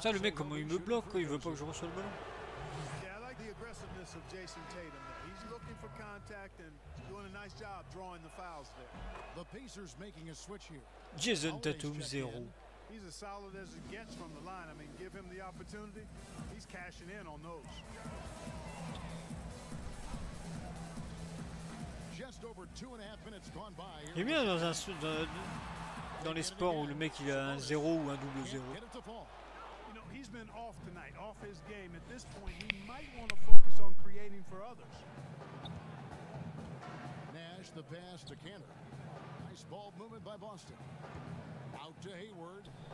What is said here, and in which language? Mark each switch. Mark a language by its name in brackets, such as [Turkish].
[French] Putain, le mec, comment il me bloque, quoi. Il veut pas que je reçoive le ballon. [English] Yeah, I like the aggressiveness of Jason Tatum. He's looking for contact and doing a nice job drawing the fouls there. The Pacers making a switch here. Jason Tatum, zéro. He's as solid as it gets from the line. I mean, give him the opportunity, he's cashing in on those. Just over 2.5 minutes gone by. [French] Il est bien dans un dans les sports où le mec il a un zéro ou un double zéro. [English] You know, he's been off tonight, off his game. At this point, he might want to focus on creating for others. Nash, the pass to Cantor. Nice ball movement by Boston. Out to Hayward.